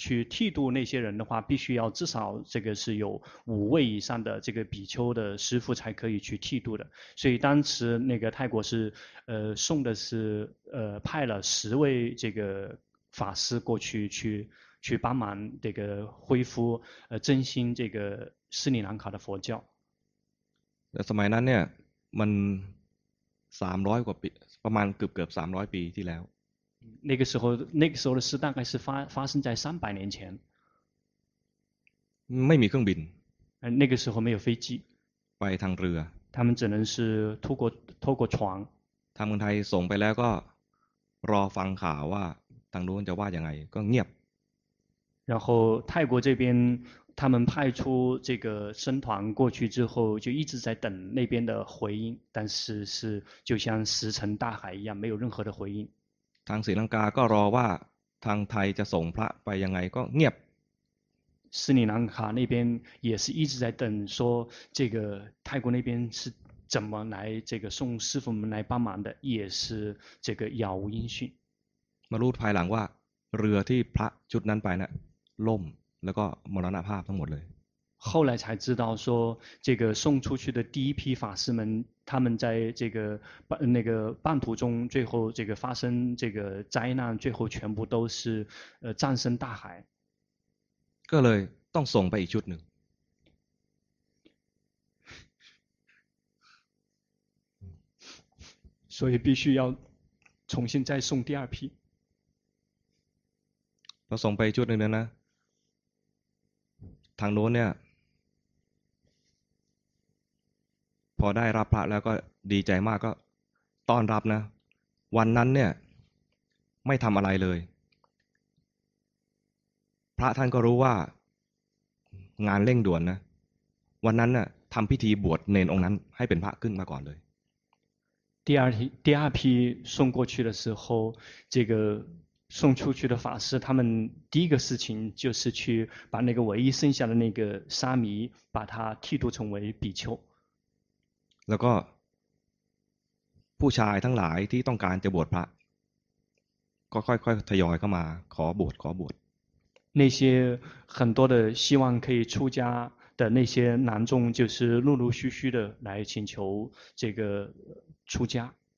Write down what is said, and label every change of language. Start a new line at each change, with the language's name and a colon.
Chinese: 剃度那些人的话必须要至少这个是有五位以上的这个比丘的师父才可以去剃度的所以当时那个泰国是送的是派了十位这个法师过去去帮忙这个恢复振兴这个斯里兰卡的佛教
Thai: 那สมัยนั้นเนี่ยมัน300กว่าปีประมาณเกือบ300ปีที่แล้ว
Chinese: 那个时候的事大概是发生在300年前
Thai: ไม่มีเครื่องบิน
Chinese: 那个时候没有飞机
Thai: ไปทางเรือ
Chinese: 他们只能是透过船
Thai: ทางเมืองไทยส่งไปแล้วก็รอฟังข่าวว่าทางโน้นจะว่ายังไงก็เงียบ
Chinese: 然后泰国这边他们派出这个僧团过去之后就一直在等那边的回应但是是就像石沉大海一样没有任何的回应
Thai: ทางศรีลังกาก็รอว่าทางไทยจะส่งพระไปยังไงก็เงียบ
Chinese: 斯里兰卡那边也是一直在等说这个泰国那边是怎么来这个送师父们来帮忙的也是这个杳无音讯
Thai: มารู้ภายหลังว่าเรือที่พระชุดนั้นไปน่ะล่มแล้วก็มรณภาพทั้งหมดเลย
Chinese: 后来才知道说这个送出去的第一批法师们他们在这个那个半途中最后这个发生这个灾难最后全部都是葬身大海
Thai: ก็เลยต้องส่งไปอีกชุดหนึ่ง
Chinese: สู้必须要重新再送第二批
Thai: เราส่งไปชุดหนึ่งนั้นนะทางโน้นเนี่ยพอได้รับพระแล้วก็ดีใจมากก็ต้อนรับนะวันนั้นเนี่ยไม่ทำอะไรเลยพระท่านก็รู้ว่างานเร่งด่วนนะวันนั้นน่ะทำพิธีบวชเนนองค์นั้นให้เป็นพระขึ้นมาก่อนเลย
Chinese: 第二批送过去的时候这个送出去的法师他们第一个事情就是去把那个唯一剩下的那个沙弥把他剃度成为比丘
Thai: แล้วก็ผู้ชายทั้งหลายที่ต้องการจะบวชพระก็ค่อยๆทยอยเข้ามาขอบวช
Chinese: 那些很多的希望可以出家的那些男众就是陆陆续续的来请求这个出家